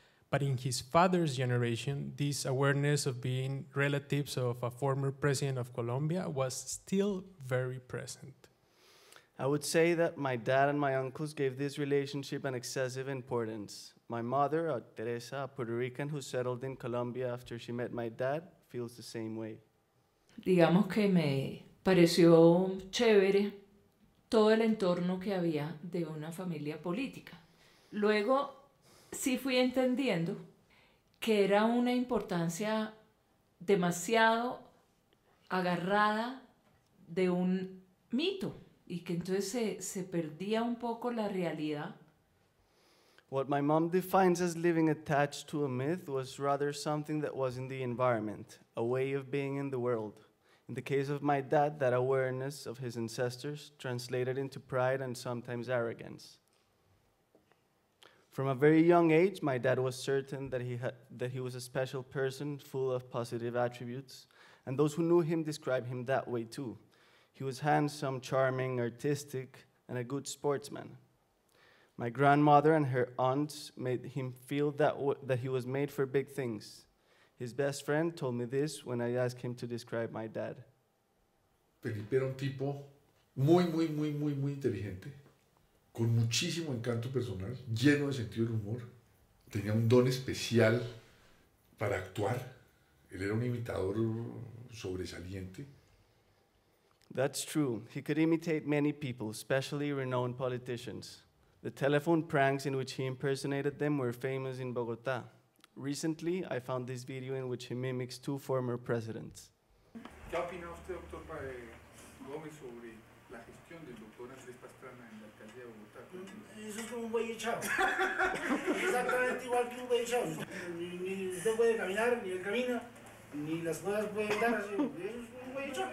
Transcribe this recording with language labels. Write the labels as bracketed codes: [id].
[en] But in his father's generation, this awareness of being relatives of a former president of Colombia was still very present. I would say that my dad and my uncles gave this relationship an excessive importance. My mother, Teresa, a Puerto Rican who settled in Colombia after she met my dad, feels the same way. [es] Digamos que me pareció chévere todo el entorno que había de una familia política. Luego sí fui entendiendo que era una importancia demasiado agarrada de un mito y que entonces se perdía un poco la realidad. [en] What my mom defines as living attached to a myth was rather something that was in the environment, a way of being in the world. In the case of my dad, that awareness of his ancestors translated into pride and sometimes arrogance. From a very young age, my dad was certain that he was a special person full of positive attributes, and those who knew him described him that way too. He was handsome, charming, artistic, and a good sportsman. My grandmother and her aunts made him feel that he was made for big things. His best friend told me this when I asked him to describe my dad. [es] Felipe era un tipo muy, muy, muy, muy, muy inteligente, con muchísimo encanto personal, lleno de sentido del humor. Tenía un don especial para actuar. Él era un imitador sobresaliente. [en] That's true. He could imitate many people, especially renowned politicians. The telephone pranks in which he impersonated them were famous in Bogotá. Recently, I found this video in which he mimics two former presidents. [es] ¿Qué opina usted, doctor Gómez, sobre la gestión del doctor Andrés Pastrana en la alcaldía de Bogotá? Eso es como un buey echado. Exactamente igual que un buey echado. Ni usted puede caminar, ni él camina, ni las cosas pueden dar. Eso es un buey echado.